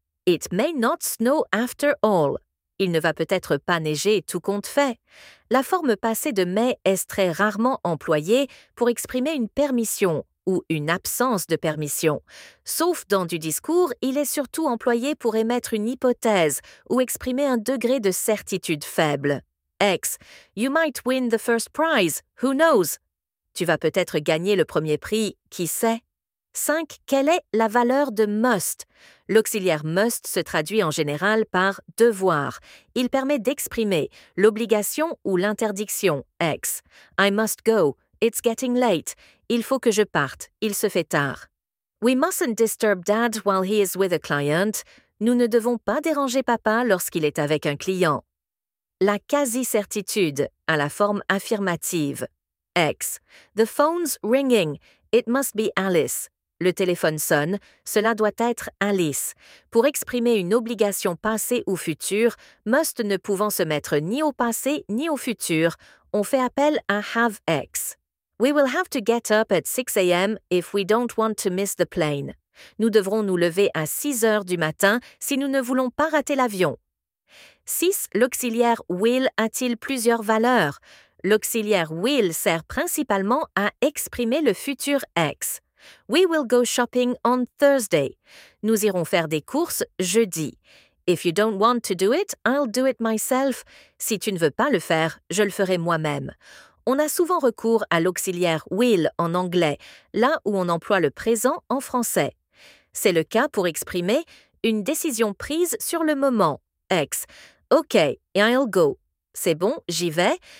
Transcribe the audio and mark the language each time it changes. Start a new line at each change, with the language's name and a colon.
English: It may not snow after all.
French: Il ne va peut-être pas neiger, tout compte fait. La forme passée de may est très rarement employée pour exprimer une permission ou une absence de permission. Sauf dans du discours, il est surtout employé pour émettre une hypothèse ou exprimer un degré de certitude faible.
English: Ex, you might win the first prize, who knows?
French: Tu vas peut-être gagner le premier prix, qui sait? 5. Quelle est la valeur de « must » ? L'auxiliaire « must » se traduit en général par « devoir ». Il permet d'exprimer l'obligation ou l'interdiction. Ex.
English: I must go. It's getting late.
French: Il faut que je parte. Il se fait tard.
English: We mustn't disturb Dad while he is with a client.
French: Nous ne devons pas déranger papa lorsqu'il est avec un client. La quasi-certitude, à la forme affirmative. Ex.
English: The phone's ringing. It must be Alice.
French: Le téléphone sonne, cela doit être Alice. Pour exprimer une obligation passée ou future, must ne pouvant se mettre ni au passé ni au futur, on fait appel à have ex.
English: We will have to get up at 6 a.m. if we don't want to miss the plane.
French: Nous devrons nous lever à 6 heures du matin si nous ne voulons pas rater l'avion. 6. L'auxiliaire will a-t-il plusieurs valeurs? L'auxiliaire will sert principalement à exprimer le futur ex.
English: We will go shopping on Thursday.
French: Nous irons faire des courses jeudi.
English: If you don't want to do it, I'll do it myself.
French: Si tu ne veux pas le faire, je le ferai moi-même. On a souvent recours à l'auxiliaire will en anglais, là où on emploie le présent en français. C'est le cas pour exprimer une décision prise sur le moment. Ex.
English: OK, I'll go.
French: C'est bon, j'y vais.